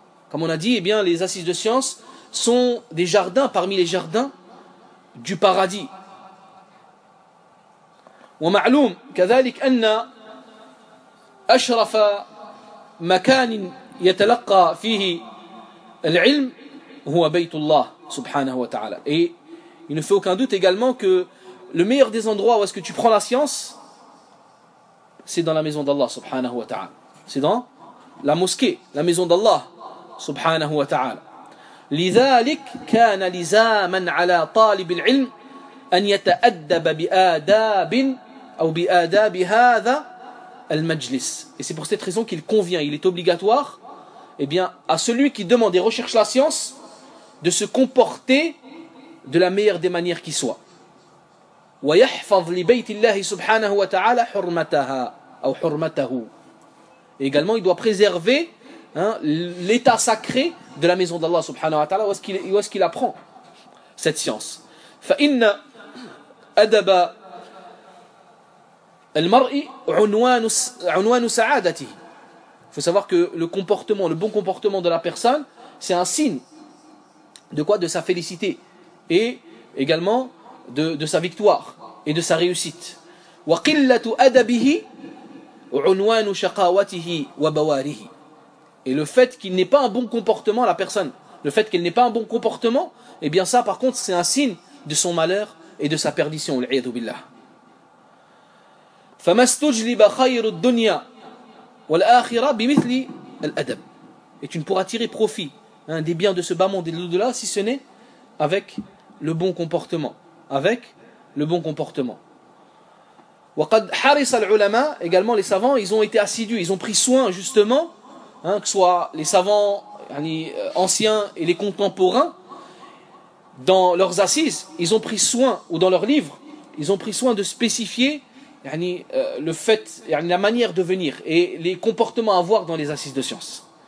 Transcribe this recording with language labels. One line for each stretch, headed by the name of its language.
French: Comme on a dit, eh bien, les assises de science sont des jardins parmi les jardins du paradis.
Arabic: وَمَعْلُومْ كَذَلِكْ أَنَّ أشرف مكان يتلقى فيه العلم هو بيت الله سبحانه وتعالى.
French: Et il ne fait aucun doute également que le meilleur des endroits où est-ce que tu prends la science, c'est dans la maison d'Allah سبحانه وتعالى. C'est dans la mosquée, la maison d'Allah سبحانه وتعالى.
Arabic: لذلك كان لزاما على طالب العلم أن يتأدب بآداب أو بآداب هذا المجلس.
French: Et c'est pour cette raison qu'il convient, il est obligatoire, eh bien, à celui qui demande et recherche la science, de se comporter de la meilleure des manières qui soit.
Arabic: وَيَحْفَظْ لِبَيْتِ اللَّهِ سُبْحَانَهُ وَتَعَالَى حُرْمَتَهَا أو حُرْمَتَهُ.
French: Et également, il doit préserver l'état sacré de la maison d'Allah subhanahu wa ta'ala, où est-ce qu'il apprend cette science.
Arabic: فَإِنَّ أَدَبَ المرئي عنوان سعادته.
French: Il faut savoir que le comportement, le bon comportement de la personne, c'est un signe de quoi? De sa félicité et également de sa victoire et de sa réussite.
Arabic: وقلة أدبه عنوان شقاوته وبواره.
French: Et le fait qu'il n'ait pas un bon comportement, la personne, le fait qu'elle n'ait pas un bon comportement, eh bien ça par contre c'est un signe de son malheur et de sa perdition.
Arabic: Al-'iyadu billah. فما استجلب خير الدنيا والآخرة بمثل الأدب.
French: Et tu ne pourras tirer profit des biens de ce bas monde et de l'au-delà si ce n'est avec le bon comportement. Avec le bon comportement.
Arabic: وقد حرص العلماء,
French: également les savants, ils ont été assidus, ils ont pris soin justement, que ce soit les savants anciens et les contemporains, dans leurs assises, ils ont pris soin, ou dans leurs livres, ils ont pris soin de spécifier le fait, la manière de venir et les comportements à avoir dans les assises de science.